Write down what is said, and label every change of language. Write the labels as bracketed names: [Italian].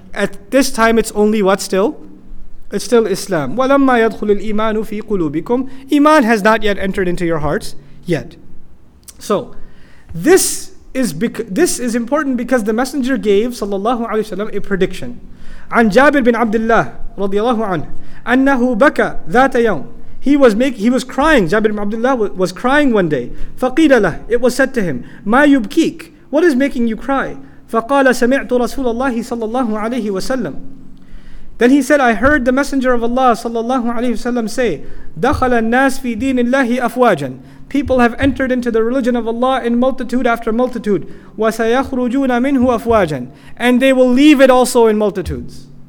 [English] At this time, it's only what still? It's still Islam. [Arabic] وَلَمَّا يَدْخُلِ الْإِيمَانُ فِي قُلُوبِكُمْ, [English] Iman has not yet entered into your hearts yet. So, this is important because the Messenger gave sallallahu alaihi wasallam a prediction. [Arabic] عن جابر بن عبد الله رضي الله عنه أنه بكى ذات يوم. [English] He was crying. جابر بن عبد الله was crying one day. [Arabic] فقيل له, [English] it was said to him, [Arabic] ما يبكيك, [English] what is making you cry? [Arabic] فقال سمعت رسول الله صلى الله عليه وسلم. [English] Then he said, I heard the Messenger of Allah sallallahu alayhi wasallam say, [Arabic] دخل الناس في دين الله أفواجا, [English] people have entered into the religion of Allah in multitude after multitude, [Arabic] وسيخرجون منه أفواجا, [English] and they will leave it also in multitudes.